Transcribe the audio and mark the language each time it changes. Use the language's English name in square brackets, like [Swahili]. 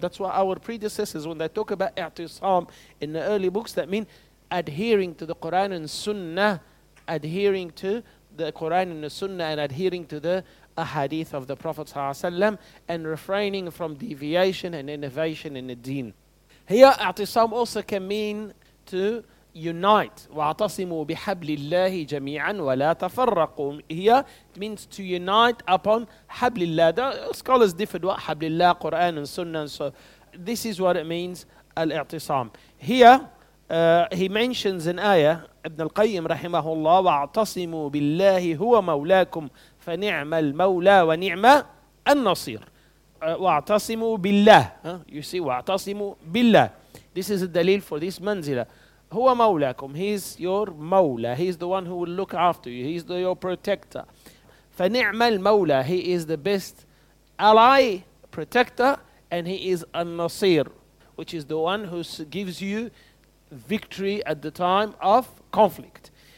[English] That's why our predecessors, when they talk about i'tisam in the early books, that mean adhering to the Quran and sunnah, adhering to the Quran and the sunnah, and adhering to the ahadith of the Prophet sallallahu alayhi wa sallam, and refraining from deviation and innovation in the deen. Here, i'tisam also can mean to unite. [Arabic] وَاعْتَصِمُوا بِحَبْلِ اللَّهِ جَمِيعًا وَلَا تَفَرَّقُوا. [English] Here, it means to unite upon [Arabic] حَبْلِ اللَّهِ. [English] Scholars differed what [Arabic] حَبْلِ اللَّهِ, [English] Quran and sunnah. So this is what it means, al-i'tisam. Here, he mentions an ayah, Ibn al-Qayyim [Arabic] رحمه الله, وَاعْتَصِمُوا بِاللَّهِ هُوَ مَوْلَاكُمْ فَنِعْمَ الْمَوْلَى وَنِعْمَ النَّصِيرُ. وَاعْتَصِمُوا بِاللَّهِ. [English] You see, وَاعْتَصِمُوا بِاللَّهِ. This is a dalil for this manzila. [Arabic] هُوَ مَوْلَاكُمْ. [English] He is your mawla. He is the one who will look after you. He is your protector. [Arabic] فَنِعْمَ الْمَوْلَى. [English] He is the best ally, protector, and he is النصير, which is the one who gives you victory at the time of conflict.